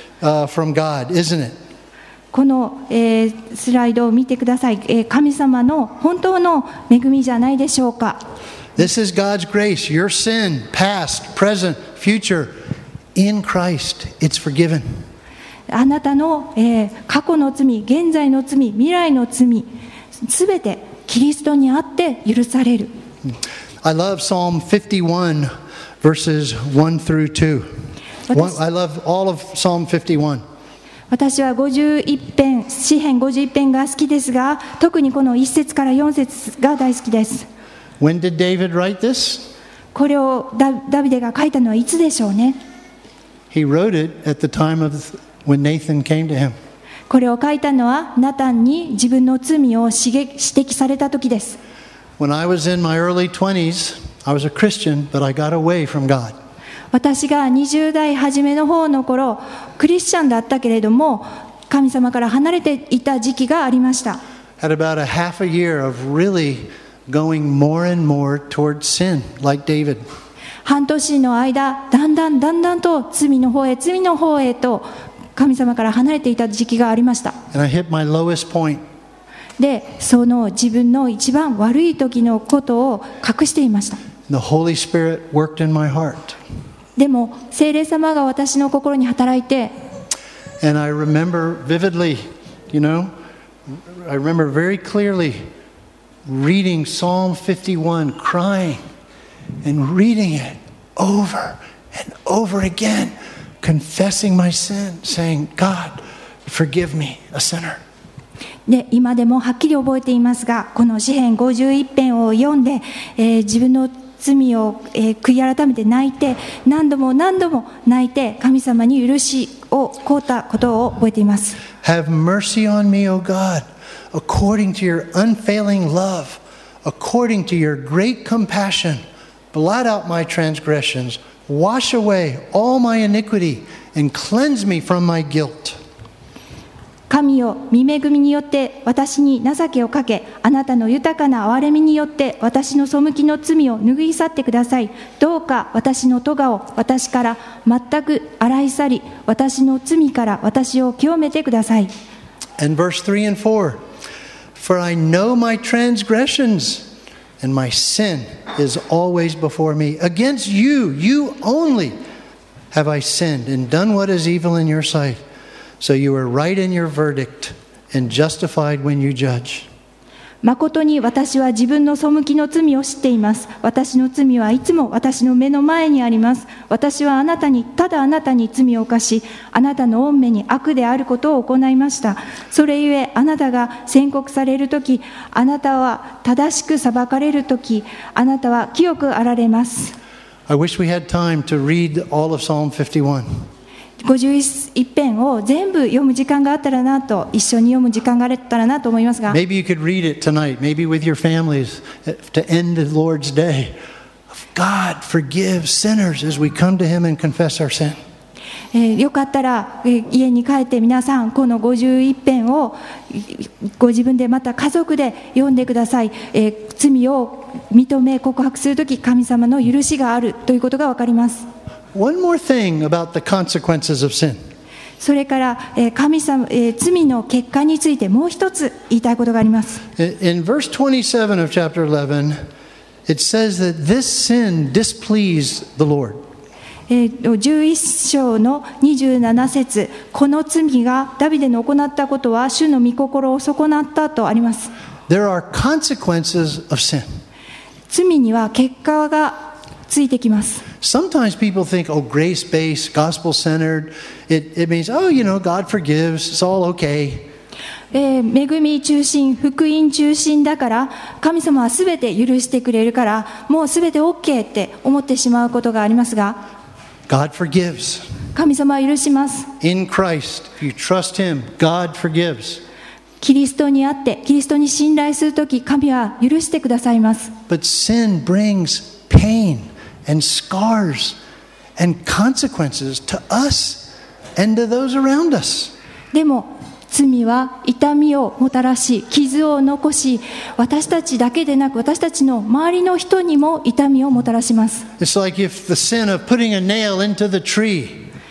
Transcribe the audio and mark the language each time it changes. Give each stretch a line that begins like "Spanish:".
English: From God, isn't it?
Japanese: この、スライドを見てください、神様の本当の恵みじゃないでしょうか
English: This is God's grace. Your sin, past, present, future, in Christ, it's forgiven.
Japanese: あなたの、過去の罪、現在の罪、未来の罪、すべてキリストにあって許される。
English: I love Psalm 51, verses 1 through 2. I love all of Psalm 51.
Japanese: 私は詩編51編が好きですが、特にこの1節から4節が大好きです。
English: When did David write this?
Japanese: これをダビデが書いたのはいつでしょうね?
English: He wrote it at the time of when Nathan came to him.
Japanese: これを書いたのはナタンに自分の罪を指摘された時です。
English: When I was in my early 20s, I was a Christian, but I got away from God.
Japanese: 私が20代初めの方の頃クリスチャンだったけれども神様から離れていた時期がありました
English: Had about a half a year of really going more and more towards sin, like David.
Japanese: 半年の間だんだんだんだんと罪の方へと神様から離れていた時期がありました
English: And I hit my lowest point.
Japanese: でその自分の一番悪い時のことを隠していました
English: The Holy Spirit worked in my heart.
Japanese: でも聖霊様が私の心に働いて
English: And I remember vividly, you know, I remember very clearly reading Psalm 51, crying and reading it over and over again, confessing my sin, saying, God, forgive me, a sinner.
Japanese: で今でもはっきり覚えていますがこの詩編51編を読んで、自分の罪を、悔い改めて泣いて何度も何度も泣いて神様に許しを請ったことを覚えています
English: Have mercy on me, O God, according to your unfailing love, according to your great compassion, blot out my transgressions, wash away all my iniquity, and cleanse me from my guilt.
Japanese: 神よ、御恵みによって私に情けをかけ、あなたの豊かな憐れみによって私の背きの罪を拭い去ってください。どうか私の咎を私から全く洗い去り、私の罪から私を清めてください。
English: And verse 3 and 4, For I know my transgressions and my sin is always before me. Against you, you only, have I sinned and done what is evil in your sight. So you are right in your verdict and justified when you judge.
Japanese: 誠に私は自分の背きの罪を知っています。私の罪はいつも私の目の前にあります。私はあなたに、ただあなたに罪を犯し、あなたの御目に悪であることを行いました。それゆえあなたが宣告されるとき、あなたは正しく裁かれるとき、あなたは清くあられます。
English: I wish we had time to read all of Psalm 51.
Japanese: 51編を全部読む時間があったらなと、一緒に読む時間があったらなと思いますが、
English: Maybe you could read it tonight, maybe with your families, to end the Lord's day. God forgives sinners as we come to Him and confess our sin.
Japanese: よかったら、家に帰って皆さん、この51編をご自分でまた家族で読んでください。罪を認め告白するとき、神様の許しがあるということがわかります。
English: One more thing about the consequences of sin.
Japanese: それから、神様、罪の結果についてもう一つ言いたいことがあります。
English: In verse 27 of chapter 11, it says that this sin displeased the Lord.
Japanese: 11章の27節、この罪がダビデの行ったことは主の御心を損なったとあります。
English: There are consequences of sin.
Japanese: 罪には結果がついてきます。
English: Sometimes people think, oh, grace-based, gospel-centered. It means, oh, you know, God forgives. It's all okay.
Japanese: 恵み中心、福音中心だから、神様はすべて許してくれるから、もうすべて OK って思ってしまうことがありますが、
English: God forgives.
Japanese: 神様は許します。
English: In Christ, if you trust Him, God forgives.
Japanese: キリストにあって、キリストに信頼するとき、神は許してくださいます。
English: But sin brings pain. And scars and consequences to us and to those around us.
Japanese: でも罪は痛みをもたらし傷を残し私たちだけでなく私たちの周りの人にも痛みをもたらします。
English: It's like if the sin of putting a nail into the tree.